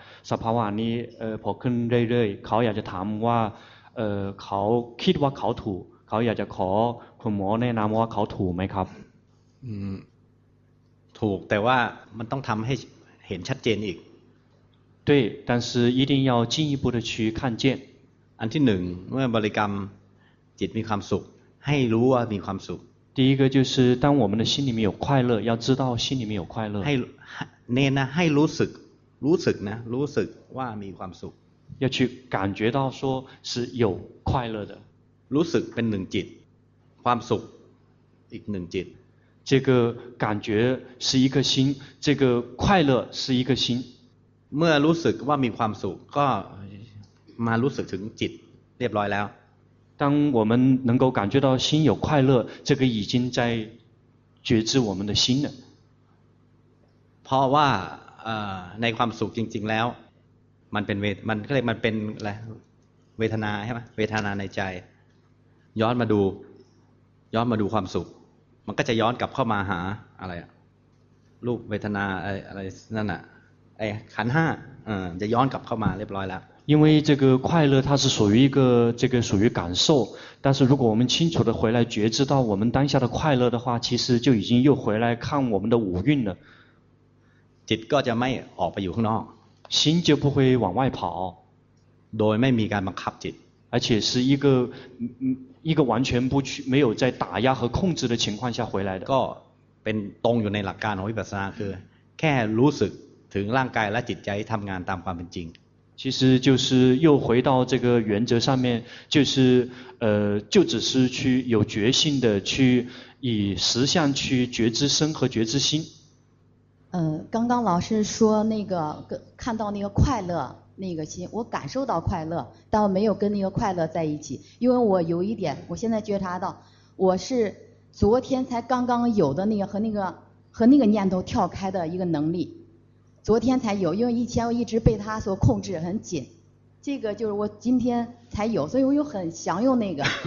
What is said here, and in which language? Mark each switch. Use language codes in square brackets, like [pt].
[th] สภาวะนี้พอขึ้นเรื่อยๆเขาอยากจะถามว่าเขาคิดว่าเขาถูกเขาอยากจะขอคุณหมอแนะนำว่าเขาถูกไหมครับ ถูกแต่ว่ามันต้องทำให้เห็นชัดเจนอีก [zh] 对但是一定要进一步的去看见 [th] อันที่หนึ่งเมื่อบริกรรมจิตมีความสุขให้รู้ว่ามีความสุข [zh] 第一个就是当我们的心里面有快乐要知道心里面有快乐 [th] ให้รู้สึกรู้สึกนะรู้สึกว่ามีความสุข [zh] 要去感觉到说是有快乐的 [th] รู้สึกเป็นหนึ่งจิตความสุขอีกหนึ่งจิต [zh] 这个感觉是一颗心这个快乐是一颗心 [th] เมื่อรู้สึกว่ามีความสุขก็มารู้สึกถึงจิตเรียบร้อยแล้ว [zh] 当我们能够感觉到心有快乐这个已经在觉知我们的心了 [th] เพราะว่าในความสุขจริงๆแล้วมันเป็นมันก็เลยมันเป็นอะไรเวทนาใช่ไหมเวทนาในใจย้อนมาดูความสุข มันก็จะย้อนกลับเข้ามาหาอะไรรูปเวทนาอะไรนั่นน่ะไอ้ขันห้าจะย้อนกลับเข้ามาเรียบร้อยแล้ว [zh] 因为这个快乐它是属于一个这个属于感受但是如果我们清楚地回来觉知到我们当下的快乐的话其实就已经又回来看我们的五蕴了 [th] จิตก็จะไม่ออกไปอยู่ข้างนอก [zh] 心就不会往外跑 [th] โดยไม่มีการบังคับจิต [zh] 而且是一个完全不去没有在打压和控制的情况下回来的 [th] ก็เป็นตรงอยู่ในหลักการของวิปัสสนาคือแค่รู้สึกถึงร่างกายและจิตใจทำงานตามความเป็นจริง [zh] 其实就是又回到这个原则上面就是就只是去有决心的去以实相去觉知身和觉知心刚刚老师说那个看到那个快乐那个心我感受到快乐但我没有跟那个快乐在一起因为我有一点我现在觉察到我是昨天才刚刚有的那个和那个念头跳开的一个能力昨天才有因为以前我一直被他所控制很紧这个就是我今天才有所以我又很享用那个